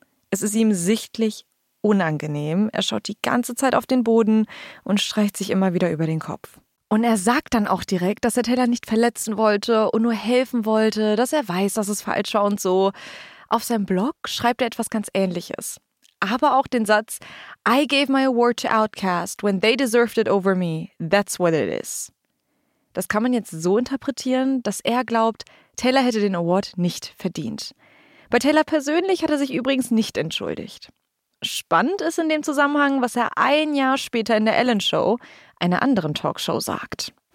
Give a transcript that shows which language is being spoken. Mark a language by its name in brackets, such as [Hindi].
[German] Es ist ihm sichtlich unangenehm. Er schaut die ganze Zeit auf den Boden und streicht sich immer wieder über den Kopf. Und er sagt dann auch direkt, dass er Taylor nicht verletzen wollte und nur helfen wollte, dass er weiß, dass es falsch war und so. Auf seinem Blog schreibt er etwas ganz Ähnliches. Aber auch den Satz, [English] I gave my award to Outkast when they deserved it over me. That's what it is. [German] Das kann man jetzt so interpretieren, dass er glaubt, Taylor hätte den Award nicht verdient. Bei Taylor persönlich hat er sich übrigens nicht entschuldigt. Spannend ist in dem Zusammenhang, was er ein Jahr später in der Ellen Show, einer anderen Talkshow, sagt.